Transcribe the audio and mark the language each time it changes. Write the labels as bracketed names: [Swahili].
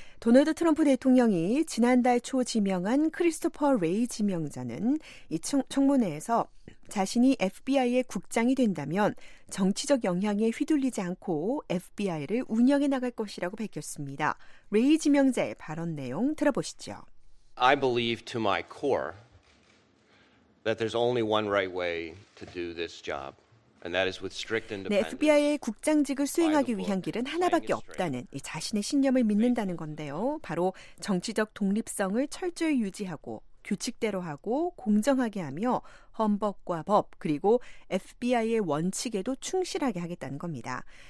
[Korean] 도널드 트럼프 대통령이 지난달 초 지명한 크리스토퍼 레이 지명자는 이 청문회에서 자신이 FBI의 국장이 된다면 정치적 영향에 휘둘리지 않고 FBI를 운영해 나갈 것이라고 밝혔습니다. 레이 지명자의 발언 내용 들어보시죠. [English] I believe to my core that there's only one right way to do this job. [Korean] 네, FBI의 국장직을 수행하기 위한 길은 하나밖에 없다는 이 자신의 신념을 믿는다는 건데요. 바로 정치적 독립성을 철저히 유지하고 규칙대로 하고 공정하게 하며 헌법과 법 그리고 FBI의 원칙에도 충실하게 하겠다는 겁니다.